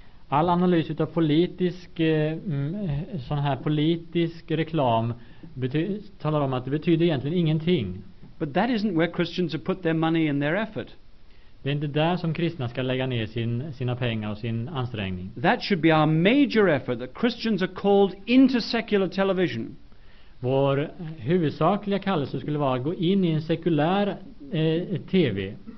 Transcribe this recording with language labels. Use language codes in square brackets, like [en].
[sv] All analys utav politisk sån här politisk reklam talar om att det betyder egentligen ingenting. [en] But that isn't where Christians have put their money and their effort. [sv] Det är inte där som kristna ska lägga ner sina pengar och sin ansträngning. [en] That should be our major effort, that Christians are called into secular television. [sv] Vår huvudsakliga kallelse skulle vara att gå in i en sekulär TV.